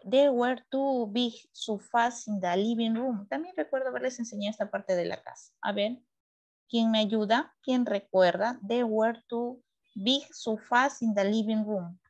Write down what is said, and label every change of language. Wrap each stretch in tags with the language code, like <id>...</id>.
<en>There were two big sofas in the living room.</en> <es>También recuerdo haberles enseñado esta parte de la casa. A ver, ¿quién me ayuda? ¿Quién recuerda?</es> <en>There were two big sofas in the living room.</en>